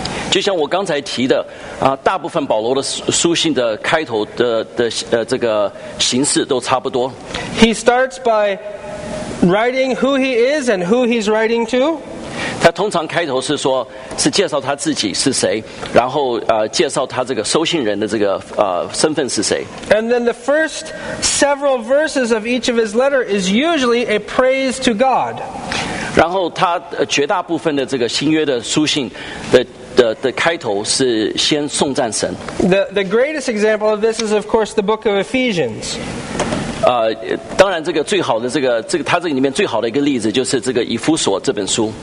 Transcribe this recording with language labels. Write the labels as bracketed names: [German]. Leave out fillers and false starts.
[Chinese] 就像我刚才提的，大部分保罗的书信的开头的这个形式都差不多。 [English] He starts by writing who he is and who he's writing to. [Chinese] 他他通常开头是说，是介绍他自己是谁，然后介绍他这个收信人的这个身份是谁。 [English] And then the first several verses of each of his letter is usually a praise to God. [Chinese] 然后他绝大部分的这个新约的书信的开头是先颂赞神。 [English] The greatest example of this is, of course, the book of Ephesians. [Chinese] 当然这个最好的这个他这里面最好的一个例子就是这个以弗所这本书。